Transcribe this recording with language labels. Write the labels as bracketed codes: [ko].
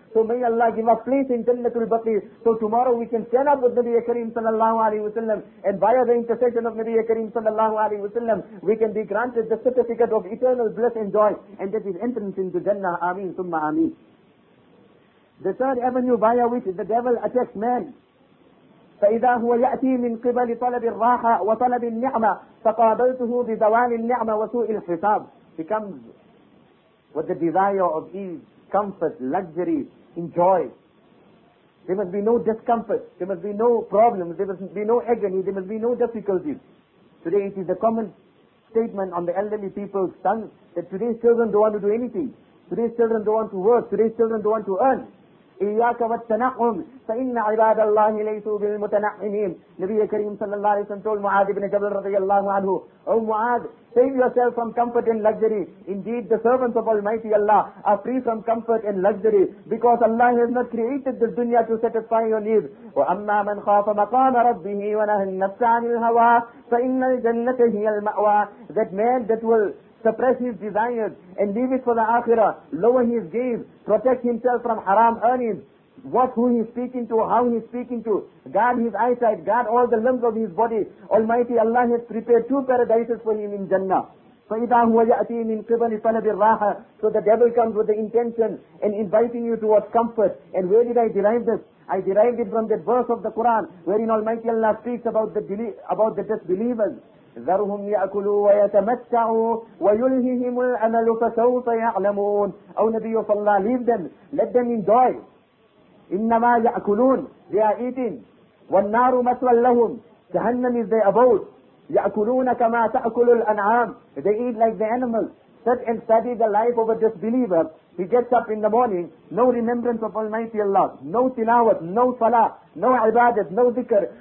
[en] So may Allah give us place in Jannatul Baqi. So tomorrow we can stand up with Nabi Kareem sallallahu alayhi wa sallam. And via the intercession of Nabi Kareem sallallahu alayhi wa sallam, we can be granted the certificate of eternal bliss and joy. And that is entrance into Jannah. Ameen, summa ameen. The third avenue via which the devil attacks man. [ar] فإذا هو يأتي من قبل طلب الراحة وطلب النعمة فقابلته بزوال النعمة وسوء الحساب. [en] He comes with the desire of ease, comfort, luxury, enjoy. There must be no discomfort, there must be no problems, there must be no agony, there must be no difficulties. Today it is a common statement on the elderly people's tongue that today's children don't want to do anything. Today's children don't want to work, today's children don't want to earn. [ar] إِيَّاكَ وَالتَّنَعُمْ فَإِنَّ عِبَادَ اللَّهِ لَيْسُوا بِالْمُتَنَعِّمِينَ. [en] Nabi Kareem sallallahu alayhi wa sallam told Mu'adh ibn Jabal radiyallahu anhu, O Mu'adh, save yourself from comfort and luxury. Indeed, the servants of Almighty Allah are free from comfort and luxury, because Allah has not created this dunya to satisfy your needs. [ar] وَأَمَّا مَنْ خَافَ مَقَامَ رَبِّهِ وَنَهَى النَّفْسَ عَنِ الْهَوَى فَإِنَّ الْجَنَّةَ هِيَ الْمَأْوَى. [en] That man that will suppress his desires, and leave it for the akhirah, lower his gaze, protect himself from haram earnings, watch who he's speaking to, how he's speaking to, guard his eyesight, guard all the limbs of his body. Almighty Allah has prepared two paradises for him in Jannah. [ar] فَإِذَا هُوَ يَأْتِي مِنْ قِبَلِ طَلَبِ الرَّاحَةِ [en] So the devil comes with the intention and inviting you towards comfort. And where did I derive this? I derived it from that verse of the Quran wherein Almighty Allah speaks about the disbelievers. [ar] ذَرْهُمْ يَأْكُلُوا وَيَتَمَتَّعُوا وَيُلْهِهِمُ الْأَمَلُ فَسَوْفَ يَعْلَمُونَ [en] O Nabi of Allah, leave them. Let them enjoy. [ar] إِنَّمَا يَأْكُلُونَ [en] They are eating. [ar] وَالنَّارُ مَثْوًى لَهُمْ [en] Jahannam is their abode. [ar] يَأْكُلُونَ كَمَا تَأْكُلُ الْأَنْعَامِ [en] They eat like the animals. Sit and study the life of a disbeliever. He gets up in the morning, no remembrance of Almighty Allah, no tilawat, no salah, no ibadat, no dhikr.